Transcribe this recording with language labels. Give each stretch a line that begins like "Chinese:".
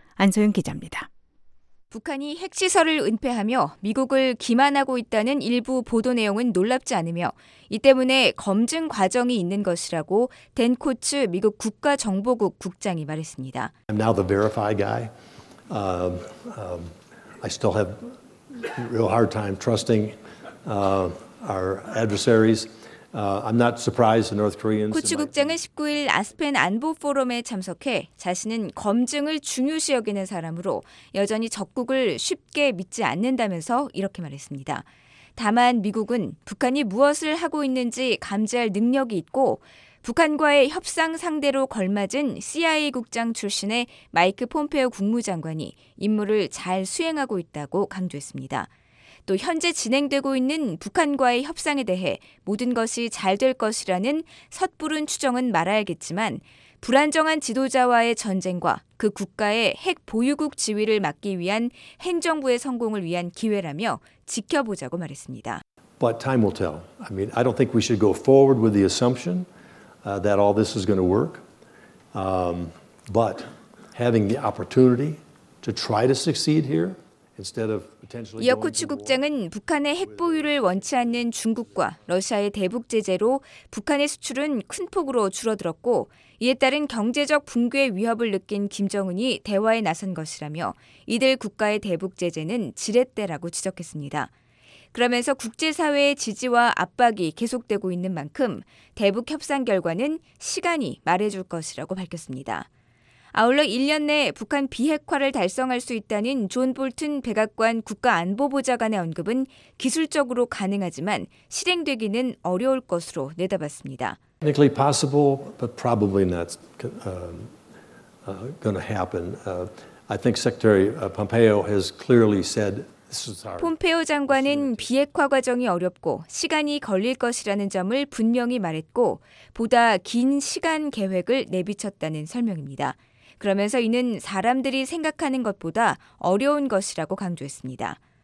Korean: 안소영 기자입니다. 북한이 핵시설을 은폐하며 미국을 기만하고 있다는 일부 보도 내용은 놀랍지 않으며 이 때문에 검증 과정이 있는 것이라고 댄 코츠 미국 국가정보국 국장이 말했습니다.
English: I'm now the verified guy. I still have real hard time trusting our adversaries. I'm not surprised the North Koreans.
Korean: 코츠 국장은 19일 아스펜 안보 포럼에 참석해 자신은 검증을 중요시 여기는 사람으로 여전히 적국을 쉽게 믿지 않는다면서 이렇게 말했습니다. 다만 미국은 북한이 무엇을 하고 있는지 감지할 능력이 있고 북한과의 협상 상대로 걸맞은 CIA 국장 출신의 마이크 폼페오 국무장관이 임무를 잘 수행하고 있다고 강조했습니다. 또 현재 진행되고 있는 북한과의 협상에 대해 모든 것이 잘될 것이라는 섣부른 추정은 말아야겠지만 불안정한 지도자와의 전쟁과 그 국가의 핵 보유국 지위를 막기 위한 행정부의 성공을 위한 기회라며 지켜보자고 말했습니다.
English: But time will tell. I mean, I don't think we should go forward with the assumption that all this is going to work. But having the opportunity to try to succeed here.
Korean: 이어 코츠 국장은 북한의 핵 보유를 원치 않는 중국과 러시아의 대북 제재로 북한의 수출은 큰 폭으로 줄어들었고 이에 따른 경제적 붕괴 위협을 느낀 김정은이 대화에 나선 것이라며 이들 국가의 대북 제재는 지렛대라고 지적했습니다. 그러면서 국제사회의 지지와 압박이 계속되고 있는 만큼 대북 협상 결과는 시간이 말해줄 것이라고 밝혔습니다. 아울러 1년 내 북한 비핵화를 달성할 수 있다는 존 볼튼 백악관 국가안보보좌관의 언급은 기술적으로 가능하지만 실행되기는 어려울 것으로 내다봤습니다.
English: Technically possible, but probably not going to happen. I think Secretary Pompeo has clearly said.
Korean: 폼페오 장관은 비핵화 과정이 어렵고 시간이 걸릴 것이라는 점을 분명히 말했고 보다 긴 시간 계획을 내비쳤다는 설명입니다. 그러면서 이는 사람들이 생각하는 것보다 어려운 것이라고 강조했습니다.